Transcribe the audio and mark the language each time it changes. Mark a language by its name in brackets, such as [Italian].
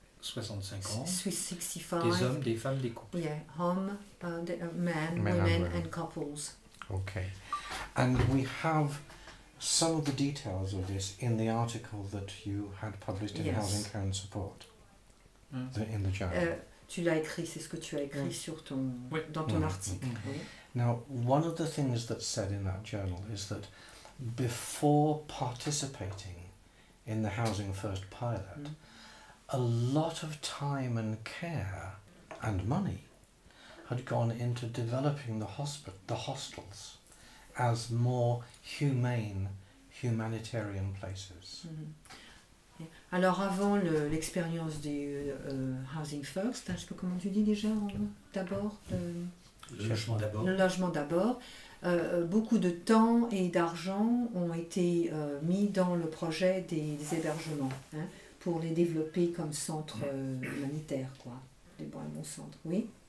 [French] 65 ans. 65. Des hommes, des femmes, des couples. [English] Yeah, men, women, and couples. Okay. And we have some of the details of this in the article that you had published in Housing Care and Support, in the journal. [French] Tu l'as écrit, c'est ce que tu as écrit sur ton, dans ton article. Mm-hmm. Mm-hmm. [English] Now, one of the things that's said in that journal is that before participating in the Housing First pilot, a lot of time and care and money had gone into developing the hostels as more humane, humanitarian places. Mm-hmm. Yeah. [French] Alors avant l'expérience du Housing First, je sais pas comment tu dis déjà, d'abord Le logement d'abord. Le logement d'abord. Beaucoup de temps et d'argent ont été mis dans le projet des hébergements, hein, pour les développer comme centre humanitaire, quoi, des bons centres, oui.